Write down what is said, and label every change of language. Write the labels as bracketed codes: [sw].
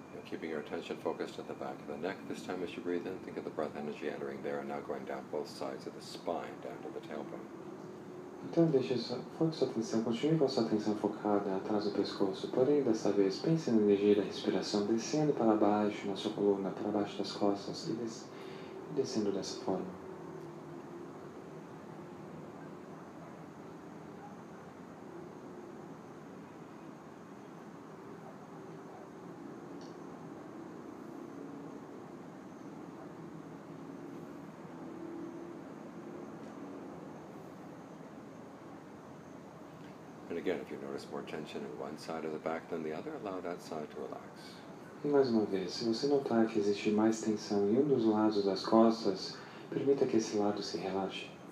[en] keeping your attention focused at the back of the neck. This time as you breathe in, think of the breath energy entering there and now going down both sides of the spine, down to the tailbone. [pt] Então deixe sua, foque sua atenção, continue com a sua atenção focada atrás do pescoço. Porém, dessa vez, pense na energia da respiração descendo para baixo na sua coluna, para baixo das costas e descendo dessa forma. [en] Again, if you notice more tension in one side of the back than the other, allow that side to relax. [pt] E mais uma vez, se você notar que existe mais tensão em um dos lados das costas, permita que esse lado se relaxe.